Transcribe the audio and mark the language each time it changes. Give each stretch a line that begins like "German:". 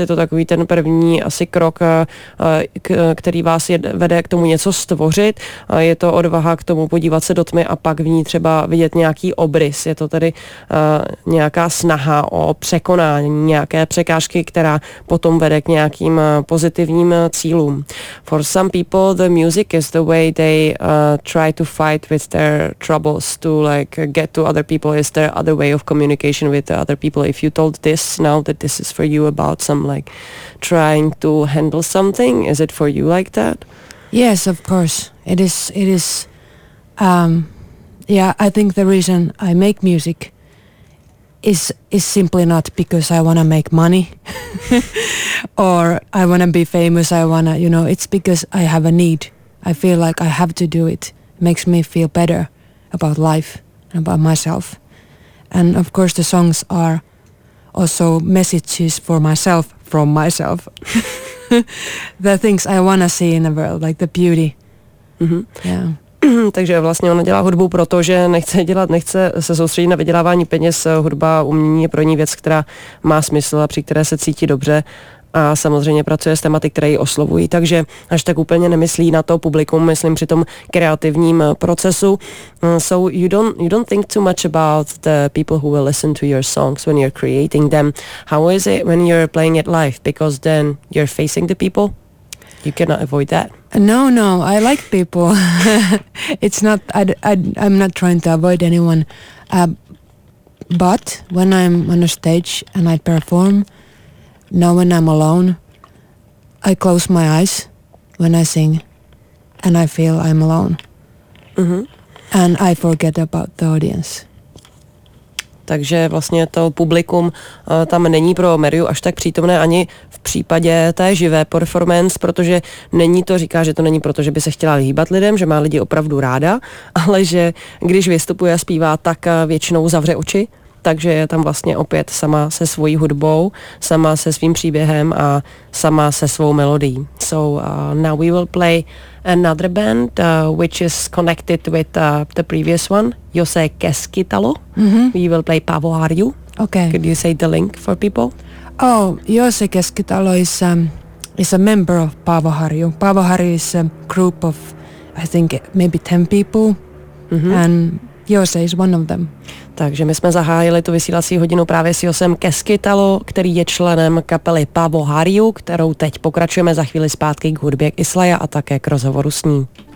Czech: Je to takový ten první asi krok, který vás vede k tomu něco stvořit. Je to odvaha k tomu podívat se do tmy a pak v ní třeba vidět nějaký obrys. Je to tedy nějaká snaha o překonání nějaké překážky, která potom vede k nějakým pozitivním cílům.
English: For some people, the music is the way they try to fight with their troubles to like get to other people. Is there other way of communication with the other people? If you told this now that this is for you about some like trying to handle something, is it for you like that? Yes, of course. It is. I think the reason I make music is simply not because I want to make money or I want to be famous. I want to, you know, it's because I have a need. I feel like I have to do it. It makes me feel better about life and about myself. And of course the songs are also messages for myself, from myself. The things I want to see in the world, like the beauty. Mm-hmm. Yeah.
Czech: Takže vlastně ona dělá hudbu, protože nechce se soustředit na vydělávání peněz. Hudba, umění je pro ní věc, která má smysl a při které se cítí dobře. a samozřejmě pracuje s tématy, které ji oslovují, takže až tak úplně nemyslí na to publikum, myslím při tom kreativním procesu.
English: So you don't think too much about the people who will listen to your songs when you're creating them. How is it when you're playing it live? Because then you're facing the people. You cannot avoid that. No, I like people. It's not, I'm not trying to avoid anyone. But when I'm on a stage and I perform, now when I'm alone, I close my eyes when I sing and I feel I'm alone. Mm-hmm. And I forget about the audience.
Czech: Takže vlastně to publikum tam není pro Mariu až tak přítomné ani v případě té živé performance, protože není to, říká, že to není proto, že by se chtěla líbat lidem, že má lidi opravdu ráda, ale že když vystupuje a zpívá, tak většinou zavře oči, takže je tam vlastně opět sama se svojí hudbou, sama se svým příběhem a sama se svou melodií.
English: So now we will play another band, which is connected with the previous one, Jose Keskitalo. Mm-hmm. We will play Pavo Arju. Okay. Could you say the link for people? Oh, Jose Keskitalo is a member of Pavo Arju. Pavo Arju is a group of, I think, maybe 10 people. Mm-hmm. And Jose is one of them.
Czech: Takže my jsme zahájili tu vysílací hodinu právě s Josem Keskitalo, který je členem kapely Pavo Arju, kterou teď pokračujeme za chvíli zpátky k hudbě k Islaya a také k rozhovoru s ní.